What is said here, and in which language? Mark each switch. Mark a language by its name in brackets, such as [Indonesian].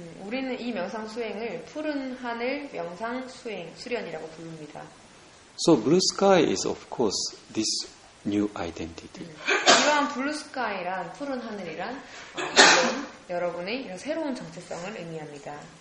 [Korean] 우리는 이 명상 수행을 푸른 하늘 명상 수행 수련이라고 부릅니다. [English] So blue sky is of course this new identity. [Korean] 이러한 blue sky란 푸른 하늘이란 여러분의 이런 새로운 정체성을 의미합니다.